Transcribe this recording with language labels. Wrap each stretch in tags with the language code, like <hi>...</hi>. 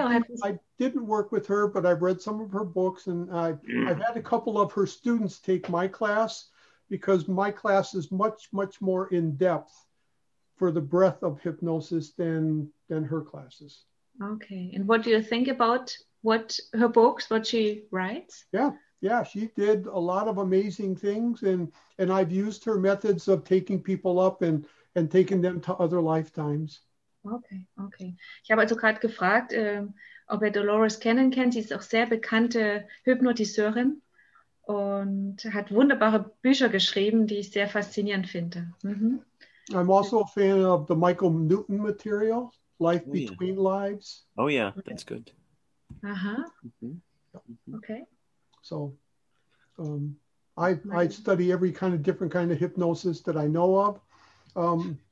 <en>I didn't work with her, but I've read some of her books, and I've had a couple of her students take my class, because my class is much, much more in depth for the breadth of hypnosis than her classes. Okay. And what do you think about what she writes? Yeah, she did a lot of amazing things, and I've used her methods of taking people up and taking them to other lifetimes. Okay.</en> <de>Ich habe also gerade gefragt, ob ihr Dolores Cannon kennt. Sie ist auch sehr bekannte Hypnotiseurin und hat wunderbare Bücher geschrieben, die ich sehr faszinierend finde. Mm-hmm.</de> <en>I'm also a fan of the Michael Newton material, Life Between Lives. Oh yeah, that's good. Aha. Mm-hmm. Okay. So I study every kind of hypnosis that I know of.</en>